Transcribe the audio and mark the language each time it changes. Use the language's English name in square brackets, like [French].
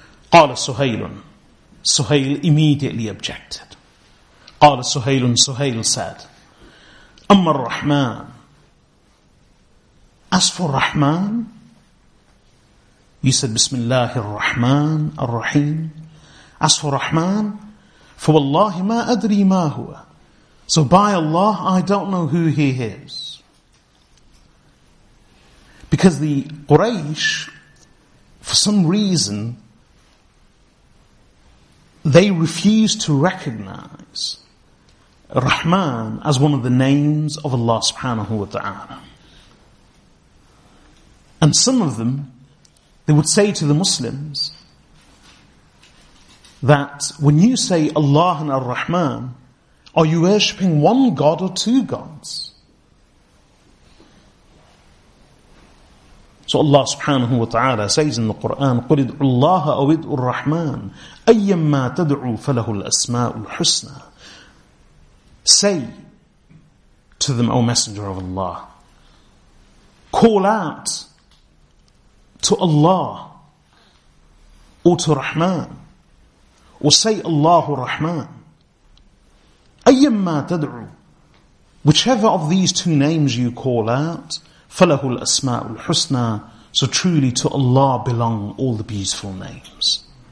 [Arabic] قال سهيل. [English] Suhail immediately objected. [Arabic] قال سهيل. [English] Suhail said, [Arabic] أما الرحمن. [English] As for Rahman, you said [Arabic] بسم الله الرحمن الرحيم. [English] As for Rahman, [Arabic] فوالله ما أدري ما هو. [English] So by Allah, I don't know who he is. Because the Quraysh, for some reason, they refused to recognize Rahman as one of the names of Allah subhanahu wa ta'ala. And some of them, they would say to the Muslims that when you say Allah and Ar-Rahman, are you worshipping one God or two gods? So Allah subhanahu wa ta'ala says in the Quran, [Arabic] قُلْ اِدْعُ اللَّهَ أَوْ اِدْعُ الرَّحْمَانِ أَيَّمَّا تَدْعُوا فَلَهُ الْأَسْمَاءُ الْحُسْنَى. [English] Say to them, O Messenger of Allah, call out to Allah or to Rahman, or say Allahu Rahman. [Arabic] أَيَّمَّا تَدْعُوا, [English] whichever of these two names you call out, [Arabic] فَلَهُ الْأَسْمَاءُ الْحُسْنَى, [English] so truly to Allah belong all the beautiful names.